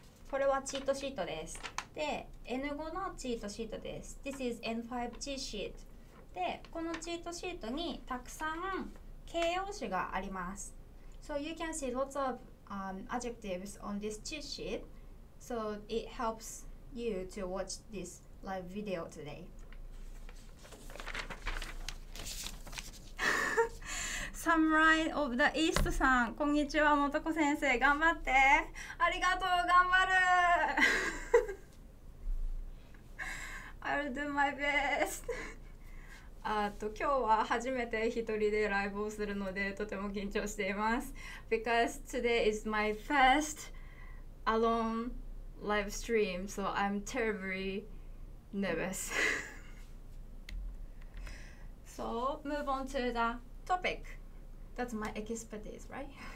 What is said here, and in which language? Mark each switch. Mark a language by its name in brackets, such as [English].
[Japanese] これはチートシートです。で、N5 のチートシートです。 [English] This is N5 [Japanese] チートシート。で、このチートシートにたくさん形容詞があります。 [English] So you can see lots of adjectives on this cheat sheet. So it helps you to watch this live video today. [Japanese] 侍 of the East さん、こんにちは、もとこ先生、頑張って。ありがとう、頑張る。 [English] I'll do my best. [Japanese] 今日は初めて一人でライブをするのでとても緊張しています。 [English] Because today is my first alone live stream, so I'm terribly nervous. So move on to the topic. That's my expertise, right?